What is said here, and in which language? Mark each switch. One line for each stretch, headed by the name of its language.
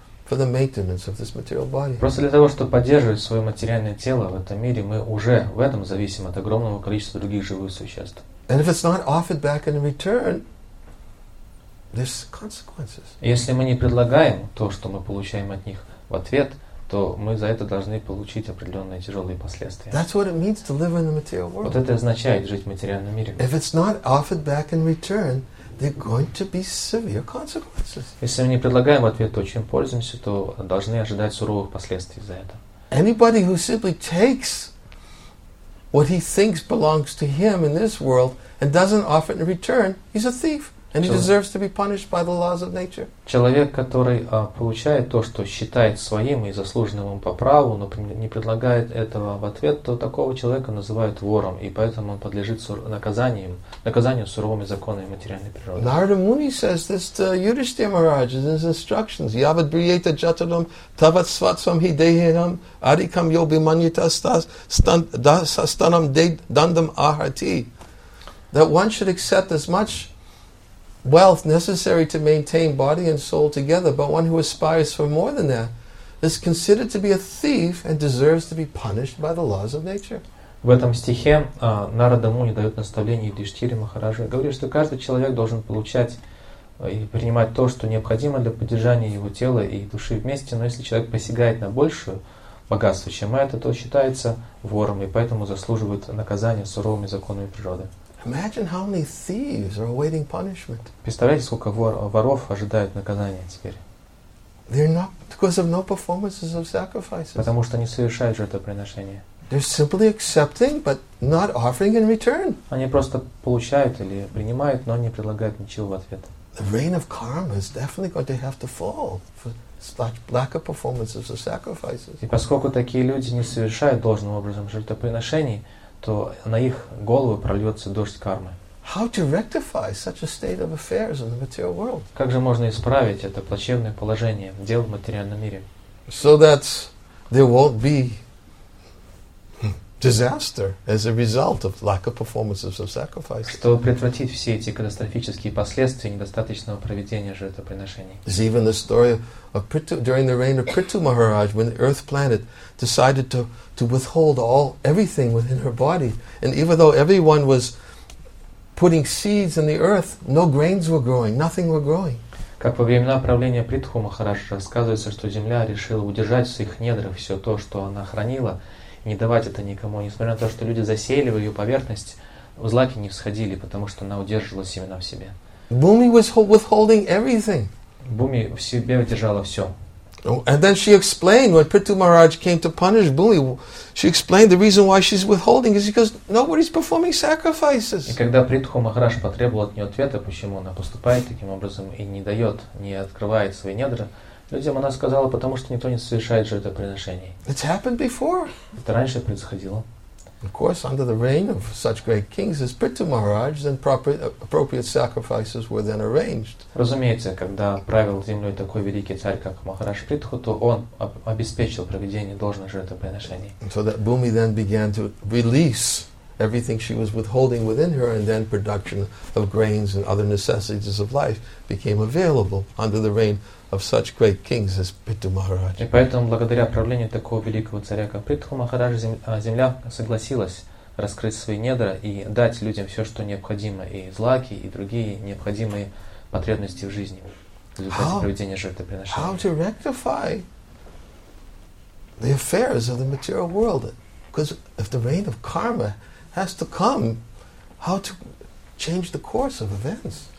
English: For the maintenance of this material body.
Russian: Просто для того, чтобы поддерживать свое материальное тело в этом мире, мы уже в этом зависим от огромного количества других живых существ.
English: And if it's not offered back in return, there's consequences.
Russian: Если мы не предлагаем то, что мы получаем от них в ответ, то мы за это должны получить определенные тяжелые последствия.
English: That's what it means to live in the material world.
Russian: Вот это означает жить в материальном мире.
English: If it's not offered back in return, there are going to be severe consequences.
Russian: Если мы не предлагаем ответ, то чем пользуемся, то должны ожидать суровых последствий за это.
English: Anybody who simply takes what he thinks belongs to him in this world and doesn't offer it in return, he's a thief, and he deserves to be punished by the laws of nature.
Russian: Человек, который получает то, что считает своим и заслуженным ему по праву, но не предлагает этого в ответ, то такого человека называют вором, и поэтому он подлежит наказанию суровыми законами материальной природы.
English: Narada Muni says this to Yudhishthira Maharaj in his instructions.
Sanskrit: Yavad briyeta jataram tavat svatsvam hi dehiram adikam yobhi manyita stanam de dandam ahati.
English: That one should accept as much wealth necessary to maintain body and soul together, but one who aspires for more than that is considered to be a thief and deserves to be punished by the laws of nature.
Russian: В этом стихе Нарада Муни дает наставление Юдхиштхире Махараджу. Говорит, что каждый человек должен получать и принимать то, что необходимо для поддержания его тела и души вместе, но если человек посягает на большее богатство, чем это, то считается вором и поэтому заслуживает наказания суровыми законами природы.
English: Imagine how many thieves are awaiting punishment.
Russian: Представляете, сколько воров ожидают наказания теперь?
English: They're not because of no performances of sacrifices.
Russian: Потому что они совершают жертвоприношения.
English: They're simply accepting, but not offering in return.
Russian: Они просто получают или принимают, но не предлагают ничего в ответ.
English: The rain of karma is definitely going to have to fall for such lack of performances of sacrifices.
Russian: И поскольку такие люди не совершают должным образом жертвоприношений, то на их головы прольется дождь кармы.
English: How to rectify such a state of affairs in the material world?
Russian: Как же можно исправить это плачевное положение дел в материальном мире?
English: So that there won't be disaster as a result of lack of performances of sacrifice.
Russian: Чтобы предотвратить все эти катастрофические последствия недостаточного проведения жертвоприношений.
English: There's even the story of Prithu, during the reign of Prithu Maharaj, when the earth planet decided to withhold all everything within her body, and even though everyone was putting seeds in the earth, no grains were growing, nothing were growing.
Russian: Как во времена правления Притху Махараджа рассказывается, что земля решила удержать в своих недрах все то, что она хранила, не давать это никому, несмотря на то, что люди засеяли в ее поверхность, в злаки не всходили, потому что она удерживала семена в себе.
English: Bhumi was withholding everything.
Russian: Bhumi в себе удержала все.
English: And then she explained, when Prithu Maharaj came to punish Bhumi, she explained the reason why she's withholding is because nobody's performing sacrifices.
Russian: И когда Притху Махарадж потребовал от нее ответа, почему она поступает таким образом и не дает, не открывает свои недра, людям она сказала, потому что никто не совершает жертвоприношений.
English: It's happened before.
Russian: Это раньше происходило.
English: Of course, under the reign of such great kings as Prithu Maharaj, then appropriate sacrifices were then arranged.
Russian: Разумеется, когда правил землей такой великий царь, как Махарадж Притху, то он обеспечил проведение должных жертвоприношений.
English: So that Bhumi then began to release everything she was withholding within her, and then production of grains and other necessities of life became available under the reign of such great kings as Prithu Maharaj.
Russian: И поэтому благодаря правлению такого великого царя, как Притху Махарадж, земля согласилась раскрыть свои недра и дать людям все, что необходимо, и злаки, и другие необходимые потребности в жизни для проведения жертвоприношения.
English: How to rectify the affairs of the material world? Because if the reign of karma has to come, how to change the course of events?